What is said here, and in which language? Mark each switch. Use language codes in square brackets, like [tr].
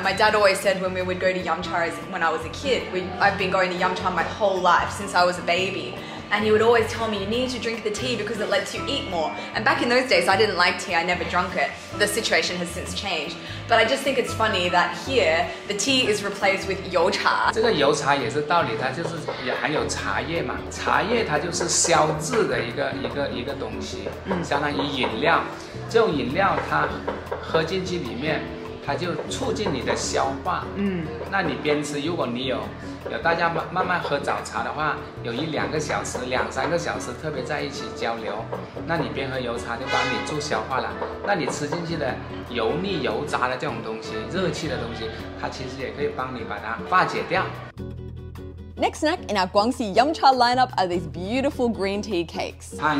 [en] And my dad always said when we would go to yum cha when I was a kid, I've been going to yum cha my whole life since I was a baby. And he would always tell me, you need to drink the tea because it lets you eat more. And back in those days, I didn't like tea, I never drank it. The situation has since changed. But I just think it's funny that here, the tea is replaced with 油茶. [zh] 这个油茶也是道理，它就是含有茶叶嘛。茶叶它就是消滞的一个东西，相当于饮料。这种饮料它喝进去里面， 它就促进你的消化。那你边吃，如果你有大家慢慢喝早茶的话，有一两个小时、两三个小时特别在一起交流，那你边喝油茶就帮你助消化了。那你吃进去的油腻油炸的这种东西，热气的东西，它其实也可以帮你把它化解掉。 [en] Next snack in our Guangxi Yamcha lineup are these beautiful green tea cakes.